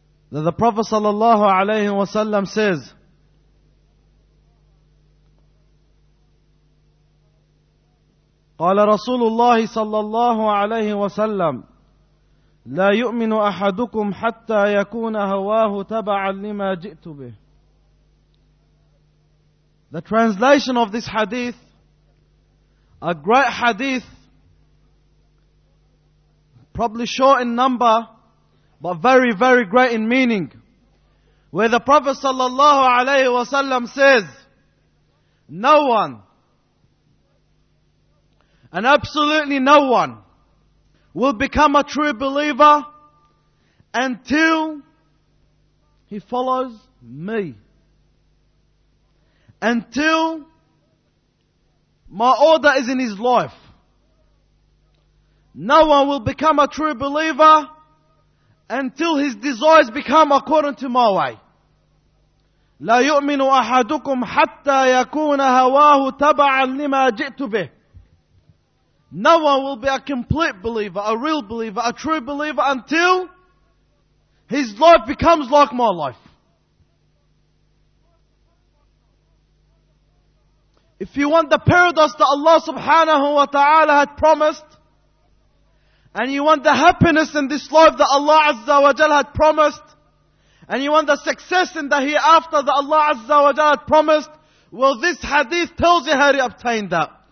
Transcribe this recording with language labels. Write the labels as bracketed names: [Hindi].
[English] That the Prophet sallallahu alayhi wa sallam says, [Arabic] قال رسول الله صلى الله عليه وسلم لا يؤمن أحدكم حتى يكون هواه تبعا لما جئت به. [English] The translation of this hadith, a great hadith, probably short in number, but very, very great in meaning, where the Prophet صلى الله عليه وسلم says, no one, and absolutely no one, will become a true believer until he follows me, until my order is in his life. No one will become a true believer until his desires become according to my way. [Arabic] لا يؤمن أحدكم حتى يكون هواه تبعا لما جئت به. [English] No one will be a complete believer, a real believer, a true believer until his life becomes like my life. If you want the paradise that Allah subhanahu wa ta'ala had promised, and you want the happiness in this life that Allah azza wa jal had promised, and you want the success in the hereafter that Allah azza wa jal had promised, well, this hadith tells you how he obtained that.